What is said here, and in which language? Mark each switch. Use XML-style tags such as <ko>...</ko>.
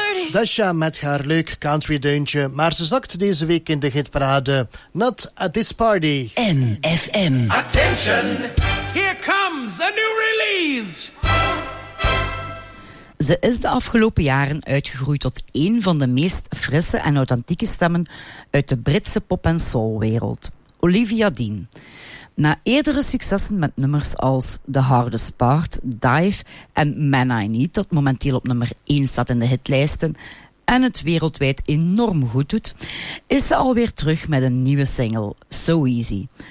<nl>Dasha met haar leuk country deuntje, maar ze zakt deze week in de hitparade.</nl> <en>Not at this party. MFM. Attention! Here comes a new release!</en> <nl>Ze is de afgelopen jaren uitgegroeid tot een van de meest frisse en authentieke stemmen uit de Britse pop- en soulwereld. Olivia Dean. Na eerdere successen met nummers als The Hardest Part, Dive en Man I Need, dat momenteel op nummer 1 staat in de hitlijsten en het wereldwijd enorm goed doet, is ze alweer terug met een nieuwe single, So Easy.</nl>